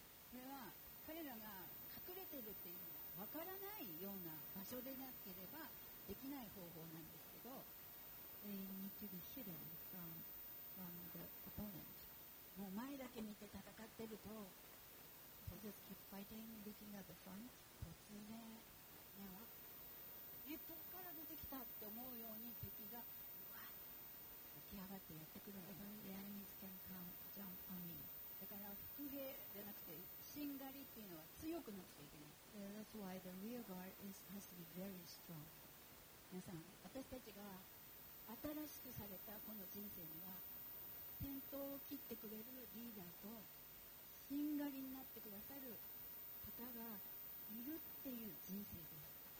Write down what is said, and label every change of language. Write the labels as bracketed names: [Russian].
[Japanese] これは彼らが隠れてるっていうのがわからないような場所でなければできない方法なんですけど、 [English] they need to be hidden from the opponent. [Japanese] もう前だけ見て戦ってると、 [English] So just keep fighting, looking at the front. [Japanese] 突然、ね、わっ、どこから出てきたって思うように敵がうわっ、起き上がってやってくるわけ。 [English] The enemies can come, jump on me. [Japanese] だから伏兵じゃなくて、しんがりっていうのは強くなくちゃいけない。 [English] Yeah, that's why the rear guard has to be very strong. [Japanese] 皆さん、私たちが新しくされたこの人生には、先頭を切ってくれるリーダーと、しんがりになってくださる方がいるっていう人生です。